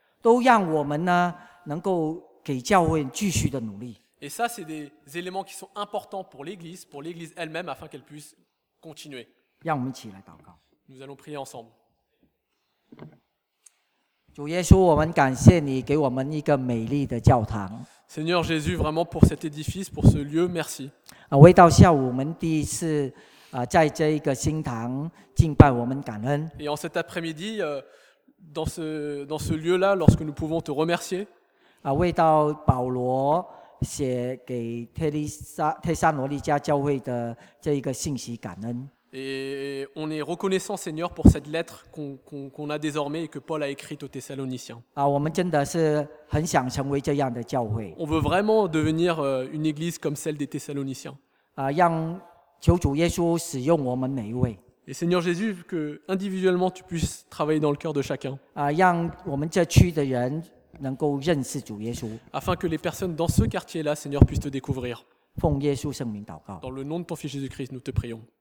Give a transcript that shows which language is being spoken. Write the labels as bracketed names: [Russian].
[Chinese] 都让我们呢能够给教会继续的努力。 [French] Et ça, c'est des éléments qui sont importants pour l'Église elle-même, afin qu'elle puisse continuer. [Chinese] 让我们起来祷告。 [French] Nous allons prier ensemble. [Chinese] 主耶稣，我们感谢你给我们一个美丽的教堂。 [French] Seigneur Jésus, vraiment pour cet édifice, pour ce lieu, merci. [Chinese] 为到下午我们第一次在这一个新堂敬拜，我们感恩。 [French] Et en cet après-midi, dans ce lieu-là, lorsque nous pouvons te remercier. [Chinese] 为到保罗写给帖撒罗尼迦教会的这一个信息感恩。 [French] Et on est reconnaissant, Seigneur, pour cette lettre qu'on a désormais et que Paul a écrite aux Thessaloniciens. [Chinese] 我们真的是很想成为这样的教会。 [French] On veut vraiment devenir une église comme celle des Thessaloniciens. [Chinese] 让求主耶稣使用我们每一位。 [French] Et Seigneur Jésus, que individuellement tu puisses travailler dans le cœur de chacun. [Chinese] 让我们这区的人能够认识主耶稣。 [French] Afin que les personnes dans ce quartier-là, Seigneur, puissent te découvrir. [Chinese] 奉耶稣圣名祷告。 [French] Dans le nom de ton Fils Jésus-Christ, nous te prions.